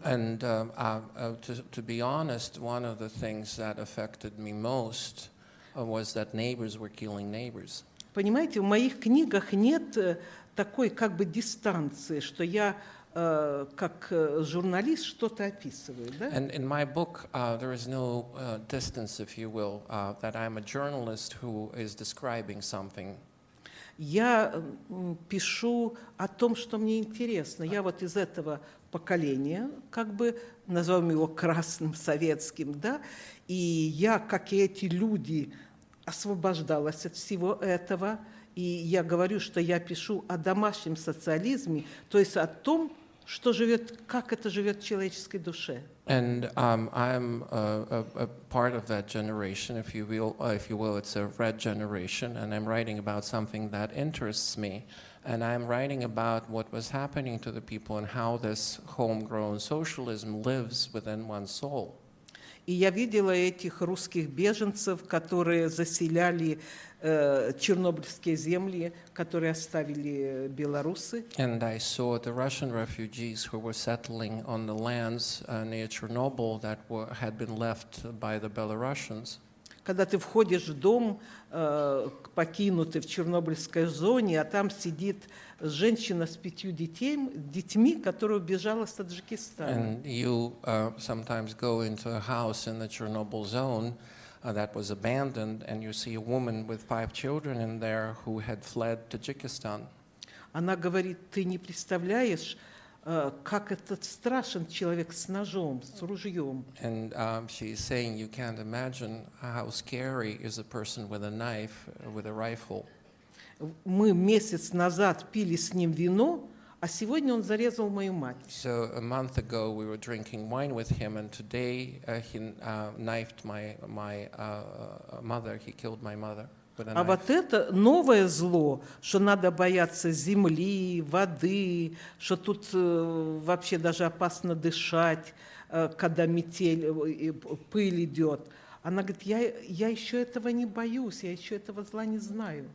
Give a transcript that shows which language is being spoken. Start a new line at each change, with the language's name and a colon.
English: And to be honest, one of the things that affected me most was that neighbors were killing neighbors.
Russian: Понимаете, в моих книгах нет такой как бы дистанции, что я как журналист что-то описываю, да?
English: And in my book, there is no distance, if you will, that I'm a journalist who is describing something.
Russian: Я пишу о том, что мне интересно. Я вот из этого поколения, как бы, назовем его красным советским, да? И я, как и эти люди, освобождалась от всего этого. И я говорю, что я пишу о домашнем социализме, то есть о том, что живет, как это живет в человеческой душе.
English: And I'm a part of that generation, if you will, it's a red generation, and I'm writing about something that interests me, and I'm writing about what was happening to the people and how this homegrown socialism lives within one's soul.
Russian: И я видела этих русских беженцев, которые заселяли чернобыльские земли, которые оставили белорусы.
English: And I saw the Russian refugees who were settling on the lands near Chernobyl that had been left by the Belarusians.
Russian: Когда ты входишь в дом, покинутый в чернобыльской зоне, а там сидит женщина с пятью детьми, которая убежала с Таджикистана.
English: And you sometimes go into a house in the Chernobyl zone that was abandoned, and you see a woman with five children in there who had fled Tajikistan.
Russian: Она говорит, ты не представляешь, как этот страшен человек с ножом, с ружьем.
English: And she's saying, you can't imagine how scary is a person with a knife, with a rifle.
Russian: Мы месяц назад пили с ним вино, а сегодня он зарезал мою мать.
English: So a month ago we were drinking wine with him, and today he knifed my mother. He killed my mother with a knife.
Russian: А вот это новое зло, что надо бояться земли, воды, что тут вообще даже опасно дышать, когда метель и пыль идет. Она говорит, я еще этого не боюсь, я еще этого зла не знаю.